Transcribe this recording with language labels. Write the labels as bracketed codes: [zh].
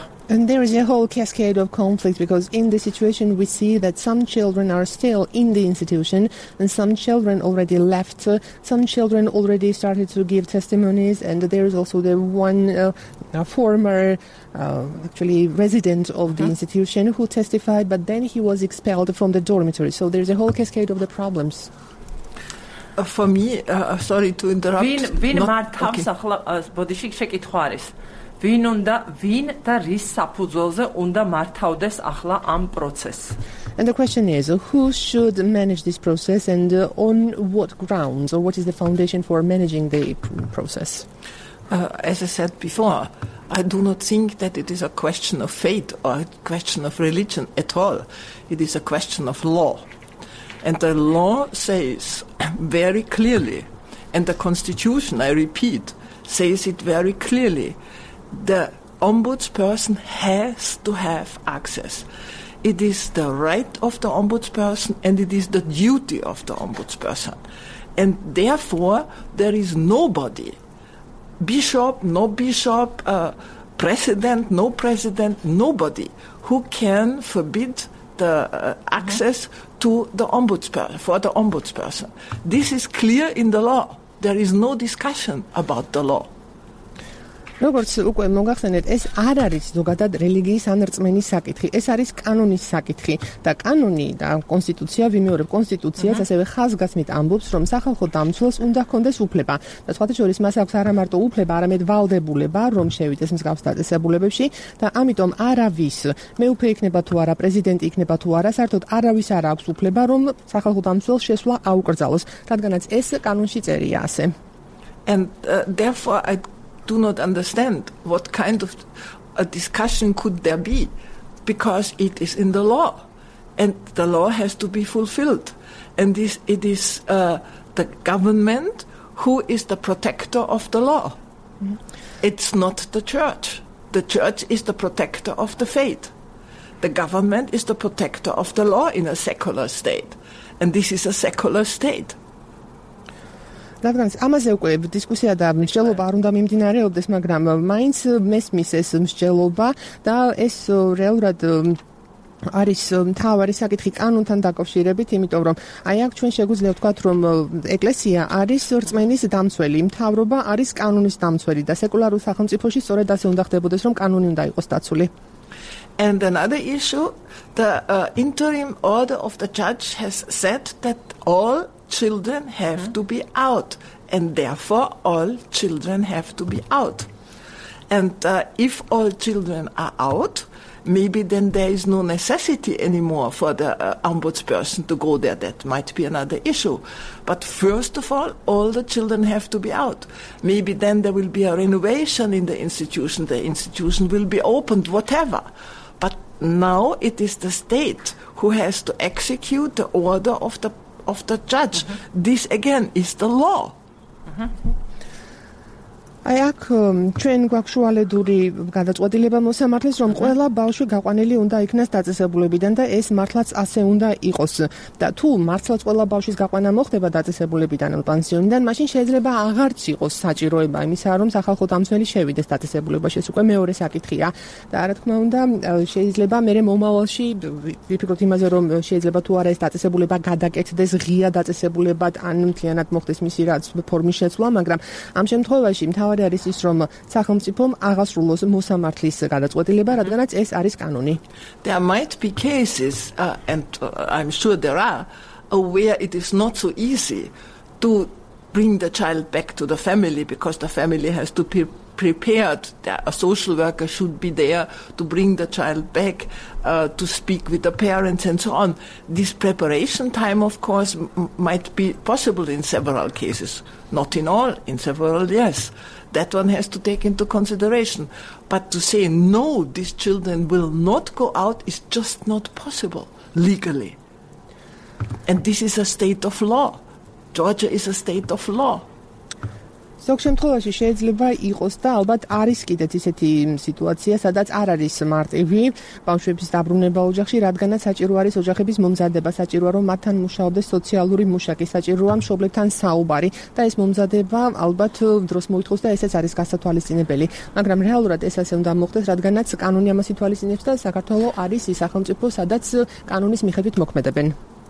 [en] And there is a whole cascade of conflict, because in this situation we see that some children are still in the institution and some children already left, some children already started to give testimonies, and there is also the one former actually resident of the institution who testified, but then he was expelled from the dormitory. So there is a whole cascade of the problems. For me, sorry to interrupt. [ka] ვინ მართავს ახლა ბოდიში შეკითხვა არის. ვინ და რის საფუძველზე უნდა მართავდეს ახლა ამ პროცესს? [en] And the question is, who should manage this process, and on what grounds, or what is the foundation for managing the process? As I said before, I do not think that it is a question of faith or a question of religion at all. It is a question of law. And the law says very clearly, and the Constitution, I repeat, says it very clearly, the ombudsperson has to have access. it is the right of the ombudsperson and it is the duty of the ombudsperson. And therefore, there is nobody, bishop, no bishop, president, no president, nobody who can forbid the access to the ombudsperson, for the ombudsperson. This is clear in the law. There is no discussion about the law. [ka] Როგორც უკვე მოგახსენეთ, ეს არ არის ზოგადად რელიგიის ან რწმენის საკითხი, ეს არის კანონის საკითხი და კანონი და კონსტიტუცია, ვიმეორებ კონსტიტუციას, ასევე ხაზგასმით ამბობს, რომ სახალხო დამცველს უნდა ჰქონდეს უფლება და სხვათა შორის მას აქვს არა მარტო უფლება, არამედ ვალდებულება, რომ შევიდეს მსგავს დაწესებულებებში და ამიტომ არავის მეუფე იქნება თუ არა, პრეზიდენტი იქნება თუ არა, საერთოდ არავის არ აქვს უფლება, რომ სახალხო დამცველს შესვლა აუკრძალოს, რადგანაც ეს კანონში წერია ასე. [en] And therefore I do not understand what kind of a discussion could there be, because it is in the law and the law has to be fulfilled, and this it is the government who is the protector of the law. It's not the church. The church is the protector of the faith. The government is the protector of the law in a secular state, and this is a secular state. [ka] რადგანაც ამაზე უკვე დისკუსია და მსჯელობა არ უნდა მიმდინარეობდეს, მაგრამ მაინც მესმის ეს მსჯელობა და ეს რეალურად არის მთავარი საკითხი კანონთან დაკავშირებით, იმიტომ რომ აი აქ ჩვენ შეგვიძლია ვთქვათ, რომ ეკლესია არის რწმენის დამცველი, მთავრობა არის კანონის დამცველი და სეკულარულ სახელმწიფოში სწორედ ასე უნდა ხდებოდეს, რომ კანონი უნდა იყოს დაცული. [en] And another issue, the interim order of the judge has said that all children have to be out, and therefore all children have to be out. And if all children are out, maybe then there is no necessity anymore for the ombudsperson to go there. That might be another issue. But first of all the children have to be out. Maybe then there will be a renovation in the institution. The institution will be opened, whatever. But now it is the state who has to execute the order of the judge. This again is the law. [ka] აი აქ ჩვენ გვაქშუალედური გადაწყვეტილება მოსამართლეს, რომ ყველა ბავშვი გაყვანილი უნდა იქნას დაწესებულებიდან და ეს მართლაც ასე უნდა იყოს. და თუ მართლაც ყველა ბავშვის გაყვანა მოხდება დაწესებულებიდან ან პანსიონიდან, მაშინ შეიძლება აღარც იყოს საჭიროება იმისა, რომ სახალხო დამცველი შევიდეს დაწესებულებაში. ეს უკვე მეორე საკითხია. და რა თქმა უნდა, შეიძლება მე მომავალში ვიფიქროთ იმაზე, რომ შეიძლება თუ არა ეს დაწესებულება გადაკეთდეს ღია დაწესებულებად ან მთლიანად მოხდეს მისი რაც ფორმის შეცვლა, მაგრამ ამ შემთხვევაში თავად არის ის, რომ სახელმწიფომ აღასრულოს მოსამართლის გადაწყვეტილება, რადგანაც ეს არის კანონი. [en] There might be cases and I'm sure there are where it is not so easy to bring the child back to the family, because the family has to be prepared. A social worker should be there to bring the child back, to speak with the parents and so on. This preparation time, of course, might be possible in several cases. Not in all, in several, yes. That one has to take into consideration. But to say, no, these children will not go out, is just not possible legally. And this is a state of law. Georgia is a state of law. [ka] Зок შემთხვევაში შეიძლება იყოს და ალბათ არის კიდეც ისეთი სიტუაცია, სადაც არ არის მარტივი ბავშვების დაბრუნება ოჯახში, რადგანაც საჭირო არის ოჯახების მომზადება, საჭიროა რომ მათთან მუშაობდეს სოციალური მუშაკი, საჭიროა მშობლებთან საუბარი და ეს მომზადება ალბათ დროს მოითხოვს და ესეც არის გასათვალისწინებელი, მაგრამ რეალურად ეს ასე უნდა მოხდეს, რადგანაც კანონი ამას ითვალისწინებს და საქართველოს არის ის სახელმწიფო, სადაც კანონის მიხედვით მოქმედებენ.